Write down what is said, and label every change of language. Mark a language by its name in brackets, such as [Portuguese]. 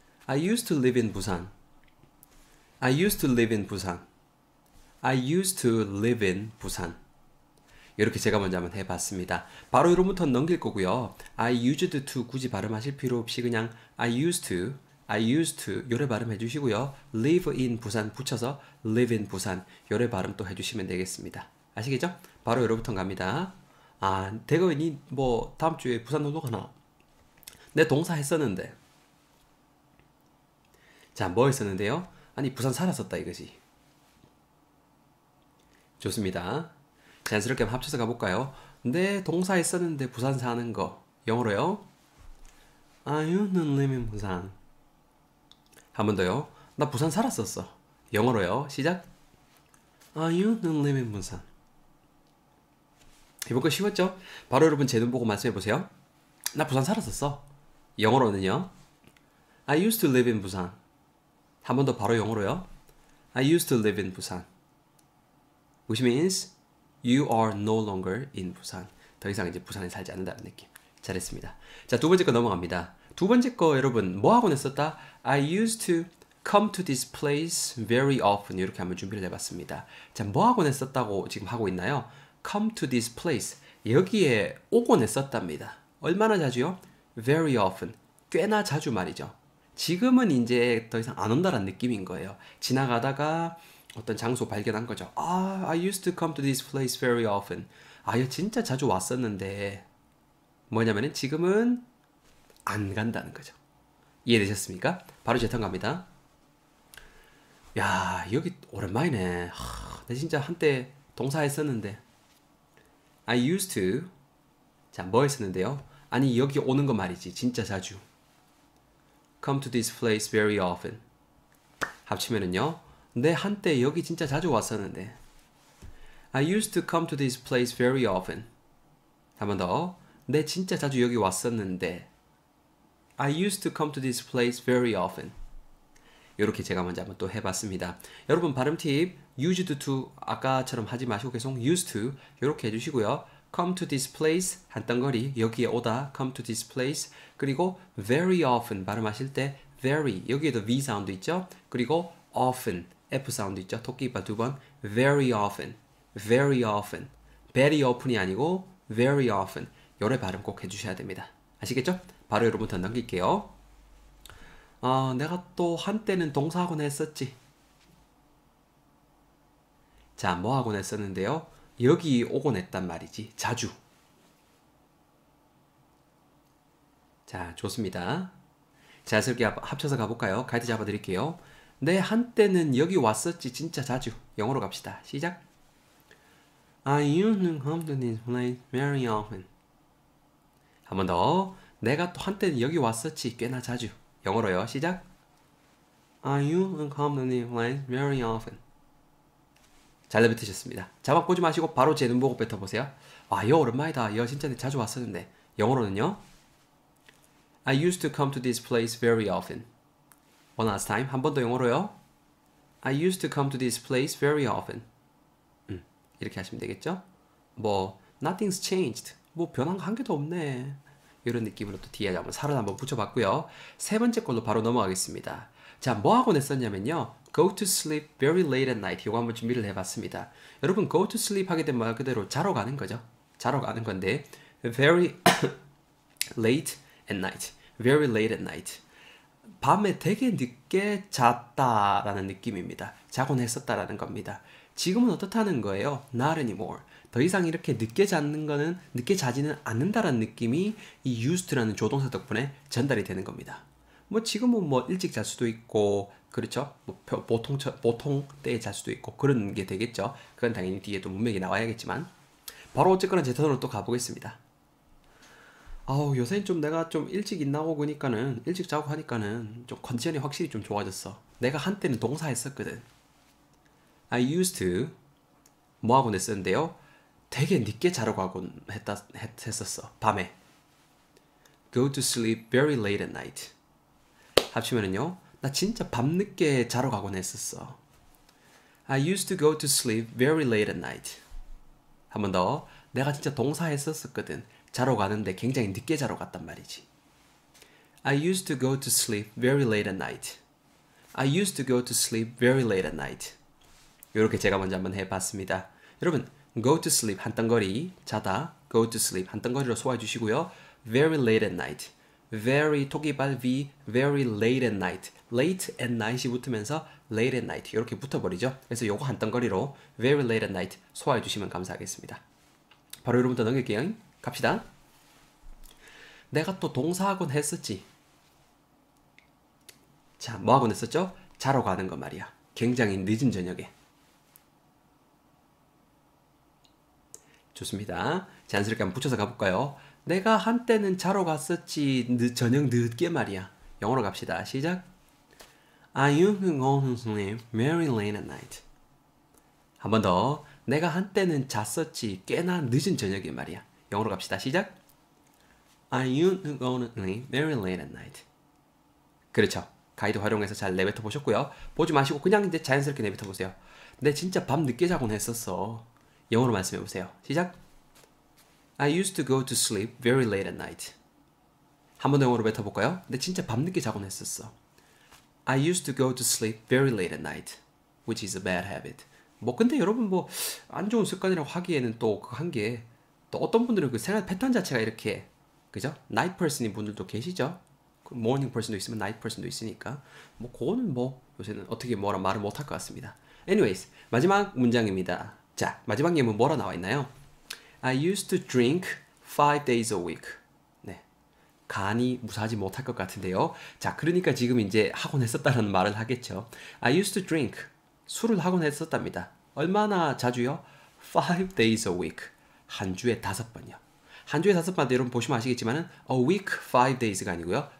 [English] I used to live in 부산. I used to live in 부산. I used to live in 부산. [Korean] 이렇게 제가 먼저 한번 해봤습니다. 바로 이로부터 넘길 거고요. [English] I used to [Korean] 굳이 발음하실 필요 없이 그냥 I used to 요래 발음해 주시고요. [English] live in 부산 [Korean] 붙여서 live in 부산 요래 발음 또해 주시면 되겠습니다. 아시겠죠? 바로 이로부터 갑니다. 아, 대거 니뭐 다음 주에 부산 놀러 가나? 내 동사 했었는데. 자, 뭐 했었는데요? 아니, 부산 살았었다 이거지. 좋습니다. 자연스럽게 한번 합쳐서 가볼까요? 내 동사 했었는데 부산 사는 거 영어로요? [English] I used to live in 부산. [Korean] 한번 더요. 나 부산 살았었어. 영어로요. 시작. [English] I used to live in 부산. [Korean] 이번 거 쉬웠죠? 바로 여러분 제눈 보고 말씀해 보세요. 나 부산 살았었어. 영어로는요? [English] I used to live in 부산. [Korean] 한번더 바로 영어로요. [English] I used to live in 부산. Which means You are no longer in 부산. [Korean] 더 이상 이제 부산에 살지 않는다는 느낌. 잘했습니다. 자, 두 번째 거 넘어갑니다. 두 번째 거 여러분, 뭐 하곤 했었다? [English] I used to come to this place very often. [Korean] 이렇게 한번 준비를 해봤습니다. 자, 뭐 하곤 했었다고 지금 하고 있나요? [English] Come to this place. [Korean] 여기에 오곤 했었답니다. 얼마나 자주요? [English] Very often. [Korean] 꽤나 자주 말이죠. 지금은 이제 더 이상 안 온다는 느낌인 거예요. 지나가다가 어떤 장소 발견한 거죠. [English] 아, I used to come to this place very often. [Korean] 아, 얘 진짜 자주 왔었는데. 뭐냐면은 지금은 안 간다는 거죠. 이해되셨습니까? 바로 제 턴 갑니다. 야, 여기 오랜만이네. 하, 나 진짜 한때 동사했었는데. [English] I used to. [Korean] 자, 뭐 했었는데요? 아니, 여기 오는 거 말이지. 진짜 자주. [English] Come to this place very often. [Korean] 합치면은요. 내 한때 여기 진짜 자주 왔었는데. [English] I used to come to this place very often. [Korean] 한번 더. 내 진짜 자주 여기 왔었는데. [English] I used to come to this place very often. [Korean] 이렇게 제가 먼저 한번 또 해봤습니다. 여러분 발음 팁, used to 아까처럼 하지 마시고 계속 used to 이렇게 해주시고요. [English] Come to this place [Korean] 한 덩어리 여기에 오다. [English] Come to this place. [Korean] 그리고 very often 발음하실 때 very 여기에도 V 사운드 있죠? 그리고 often. F 사운드 있죠? 토끼 이빨 두 번. [English] Very often. Very often. Very often [Korean] 이 아니고 [English] Very often. [Korean] 요래 발음 꼭 해주셔야 됩니다. 아시겠죠? 바로 여러분부터 넘길게요. 아, 내가 또 한때는 동사하곤 했었지. 자, 뭐 하곤 했었는데요? 여기 오곤 했단 말이지. 자주. 자, 좋습니다. 자연스럽게 합쳐서 가볼까요? 가이드 잡아드릴게요. 내 한때는 여기 왔었지 진짜 자주. 영어로 갑시다. 시작. [English] I used to come to this place very often. [Korean] 한번 더. 내가 또 한때는 여기 왔었지 꽤나 자주. 영어로요. [English] 시작. I used to come to this place very often. [Korean] 잘 내뱉으셨습니다. 자막 보지 마시고 바로 제 눈보고 뱉어보세요. 와, 여 오랜만이다. 여 진짜 자주 왔었는데. 영어로는요? [English] I used to come to this place very often. One last time. [Korean] 한번더 영어로요. [English] I used to come to this place very often. [Korean] 이렇게 하시면 되겠죠? 뭐, [English] nothing's changed. [Korean] 뭐, 변한 거한 개도 없네. 이런 느낌으로 또 뒤에 한번 살을 한번 붙여봤고요. 세 번째 걸로 바로 넘어가겠습니다. 자, 뭐하곤 했었냐면요. [English] Go to sleep very late at night. [Korean] 이거 한번 준비를 해봤습니다. 여러분, [English] go to sleep [Korean] 하게 되면 말 그대로 자러 가는 거죠. 자러 가는 건데, [English] very late at night. Very late at night. [Korean] 밤에 되게 늦게 잤다라는 느낌입니다. 자곤 했었다라는 겁니다. 지금은 어떻다는 거예요? [English] Not anymore. [Korean] 더 이상 이렇게 늦게 잤는 거는 늦게 자지는 않는다라는 느낌이 이 used라는 조동사 덕분에 전달이 되는 겁니다. 뭐 지금은 뭐 일찍 잘 수도 있고 그렇죠? 뭐 보통 때에 잘 수도 있고 그런 게 되겠죠. 그건 당연히 뒤에도 문맥이 나와야겠지만 바로 어쨌거나 제 턴으로 또 가보겠습니다. 아우 요새 좀 내가 좀 일찍 있나고 보니까는 일찍 자고 하니까는 좀 컨디션이 확실히 좀 좋아졌어. 내가 한때는 동사했었거든. [English] I used to [Korean] 뭐하곤 했었는데요. 되게 늦게 자러 가곤 했었어. 밤에. [English] Go to sleep very late at night. [Korean] 합치면은요. 나 진짜 밤늦게 자러 가곤 했었어. [English] I used to go to sleep very late at night. [Korean] 한번 더. 내가 진짜 동사했었었거든. 자러 가는데 굉장히 늦게 자러 갔단 말이지. [English] I used to go to sleep very late at night. I used to go to sleep very late at night. [Korean] 이렇게 제가 먼저 한번 해봤습니다. 여러분, [English] go to sleep [Korean] 한 덩어리 자다, go to sleep 한 덩어리로 소화해 주시고요. [English] Very late at night, very 토기발 V, very late at night, late at night이 붙으면서 late at night 이렇게 붙어버리죠. [Korean] 그래서 요거 한 덩어리로 [English] very late at night [Korean] 소화해 주시면 감사하겠습니다. 바로 여러분부터 넘길게요. 갑시다. 내가 또 동사하곤 했었지. 자, 뭐하곤 했었죠? 자러 가는 거 말이야. 굉장히 늦은 저녁에. 좋습니다. 자연스럽게 한번 붙여서 가볼까요? 내가 한때는 자러 갔었지, 저녁 늦게 말이야. 영어로 갑시다. 시작. [English] I used to go to sleep very late at night. [Korean] 한번 더. 내가 한때는 잤었지, 꽤나 늦은 저녁에 말이야. 영어로 갑시다. 시작. [English] I used to go to sleep very late at night. [Korean] 그렇죠. 가이드 활용해서 잘 내뱉어 보셨고요. 보지 마시고 그냥 이제 자연스럽게 내뱉어 보세요. 내 진짜 밤 늦게 자곤 했었어. 영어로 말씀해 보세요. 시작. [English] I used to go to sleep very late at night. [Korean] 한번 영어로 뱉어 볼까요? 내 진짜 밤늦게 자곤 했었어. [English] I used to go to sleep very late at night, which is a bad habit. [Korean] 뭐 근데 여러분 뭐안 좋은 습관이라고 하기에는 또그한게또 어떤 분들은 그 생활 패턴 자체가 이렇게 그죠? Night person인 분들도 계시죠? Morning person도 있으면 night person도 있으니까 뭐 그거는 뭐 요새는 어떻게 뭐라 말을 못할것 같습니다. Anyways, 마지막 문장입니다. 자, 마지막 예문 뭐라 나와 있나요? [English] I used to drink 5 days a week. [Korean] 감히 무사하지 못할 것 같은데요. 자, 그러니까 지금 이제 하곤 했었다는 말을 하겠죠. [English] I used to drink. [Korean] 술을 하곤 했었답니다. 얼마나 자주요? [English] 5 days a week. [Korean] 한 주에 다섯 번요. 한 주에 다섯 번 여러분 보시면 아시겠지만은 a week 5 days가 아니고요.